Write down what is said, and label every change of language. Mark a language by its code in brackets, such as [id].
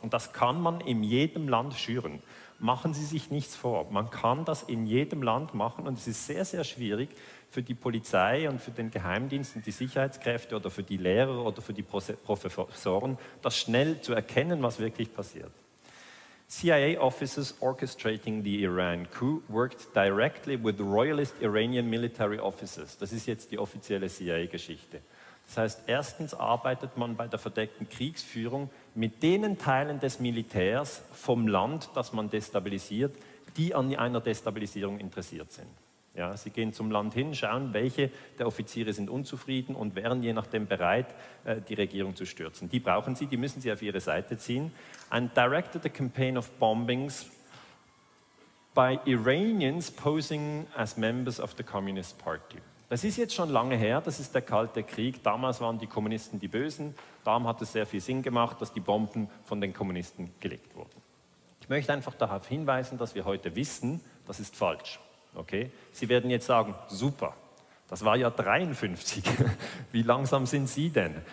[de] Und das kann man in jedem Land schüren. Machen Sie sich nichts vor. Man kann das in jedem Land machen und es ist sehr, sehr schwierig für die Polizei und für den Geheimdienst und die Sicherheitskräfte oder für die Lehrer oder für die Professoren, das schnell zu erkennen, was wirklich passiert. [en] CIA officers orchestrating the Iran coup worked directly with royalist Iranian military officers. [de] Das ist jetzt die offizielle CIA-Geschichte. Das heißt, erstens arbeitet man bei der verdeckten Kriegsführung mit denen Teilen des Militärs vom Land, das man destabilisiert, die an einer Destabilisierung interessiert sind. Ja, sie gehen zum Land hin, schauen, welche der Offiziere sind unzufrieden und wären je nachdem bereit, die Regierung zu stürzen. Die brauchen sie, die müssen sie auf ihre Seite ziehen. [en] And directed a campaign of bombings by Iranians posing as members of the Communist Party. [de] Das ist jetzt schon lange her, das ist der Kalte Krieg. Damals waren die Kommunisten die Bösen. Darum hat es sehr viel Sinn gemacht, dass die Bomben von den Kommunisten gelegt wurden. Ich möchte einfach darauf hinweisen, dass wir heute wissen, das ist falsch. Okay? Sie werden jetzt sagen, super, das war ja 53, wie langsam sind Sie denn?